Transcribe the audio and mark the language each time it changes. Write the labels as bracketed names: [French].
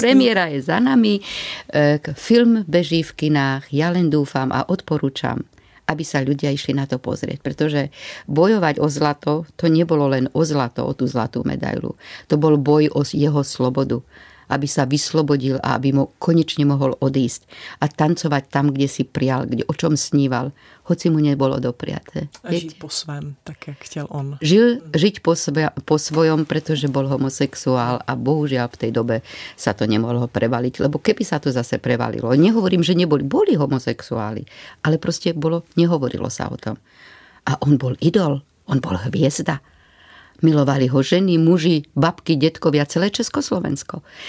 [Slovak] Premiéra je za nami, film beží v kinách, ja len dúfam a odporúčam, aby sa ľudia išli na to pozrieť. Pretože bojovať o zlato, to nebolo len o zlato, o tú zlatú medailu. To bol boj o jeho slobodu. Aby sa vyslobodil a aby mu konečne mohol odísť a tancovať tam, kde si prial, kde, o čom sníval, hoci mu nebolo dopriaté. [Czech] A žiť po svém, tak jak chtěl on. [Slovak] Žiť po svojom, pretože bol homosexuál a bohužiaľ v tej dobe sa to nemohlo prevaliť, lebo keby sa to zase prevalilo. Nehovorím, že boli homosexuáli, ale proste nehovorilo sa o tom. A on bol idol, on bol hviezda. Milovali ho ženy, muži, babky, detkovia, celé Československo.